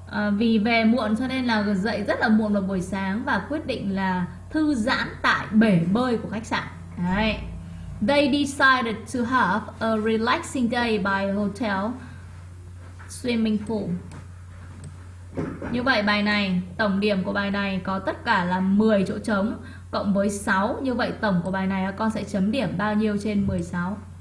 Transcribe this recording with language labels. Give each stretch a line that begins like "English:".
Vietnamese: Vì về muộn cho nên là dậy rất là muộn vào buổi sáng và quyết định là thư giãn tại bể bơi của khách sạn. Đấy.
English: They decided to have a relaxing day by the hotel swimming pool.
Vietnamese: Như vậy bài này, tổng điểm của bài này có tất cả là 10 chỗ trống cộng với 6. Như vậy tổng của bài này con sẽ chấm điểm bao nhiêu trên 16?